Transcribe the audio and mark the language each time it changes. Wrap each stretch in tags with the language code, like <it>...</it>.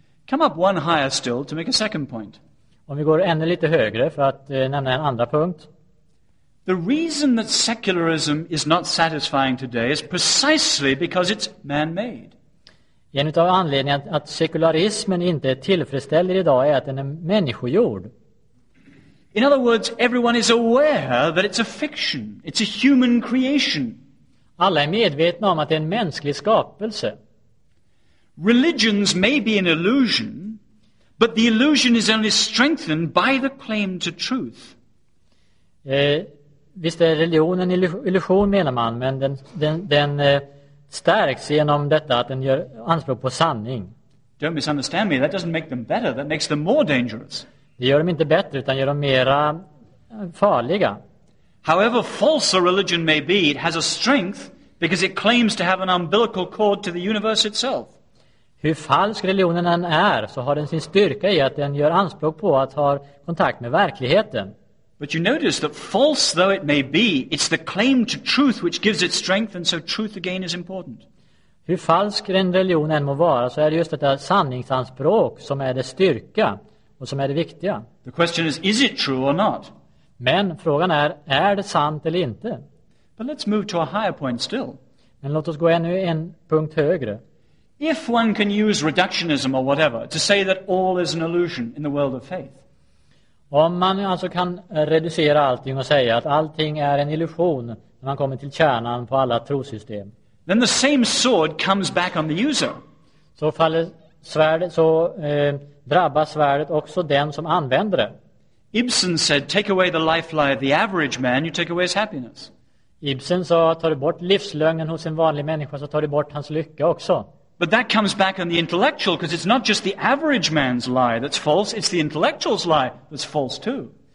<en>Come up one higher still to make a second point.</en> <sv>Om vi går ännu lite högre för att nämna en andra punkt.</sv> <en>The reason that secularism is not satisfying today is precisely because it's man-made.</en> <sv>En av anledningarna att sekularismen inte är tillfredsställande idag är att den är människogjord.</sv> <en>In other words, everyone is aware that it's a fiction. It's a human creation.</en> <sv>Alla är medvetna om att det är en mänsklig skapelse.</sv> <en>Religions may be an illusion, but the illusion is only strengthened by the claim to truth.</en> <sv>Visst är religion en illusion, menar man, men den stärks genom detta att den gör anspråk på sanning.</sv> <en>Don't misunderstand me. That doesn't make them better. That makes them more dangerous.</en> <sv>Det gör dem inte bättre, utan gör dem mera farliga.</sv> <en>However false a religion may be, it has a strength because it claims to have an umbilical cord to the universe itself.</en> <sv>Hur falsk religionen än är, så har den sin styrka i att den gör anspråk på att ha kontakt med verkligheten.</sv> <en>But you notice that false though it may be, it's the claim to truth which gives it strength, and so truth again is important.</en> <sv>Hur falsk en religion än må vara, så är det just detta sanningsanspråk som är det styrka. Och som är det viktiga.</sv> <en>The question is it true or not?</en> <sv>Men frågan är det sant eller inte?</sv> <en>But let's move to a higher point still.</en> <sv>Men låt oss gå ännu en punkt högre.</sv> <en>If one can use reductionism or whatever to say that all is an illusion in the world of faith.</en> <sv>Om man alltså kan reducera allting och säga att allting är en illusion när man kommer till kärnan på alla trosystem.</sv> <en>Then the same sword comes back on the user.</en> <sv>Så faller svärdet, så drabbas svärdet också den som använder det.</sv> <en>Ibsen said, take away the lifeline of the average man, you take away his happiness.</en> <sv>Ibsen sa, tar du bort livslögnen hos en vanlig människa, så tar du bort hans lycka också.</sv> <en>But that comes back on the intellectual, because it's not just the average man's lie that's false, it's the intellectual's lie that's false too.</en>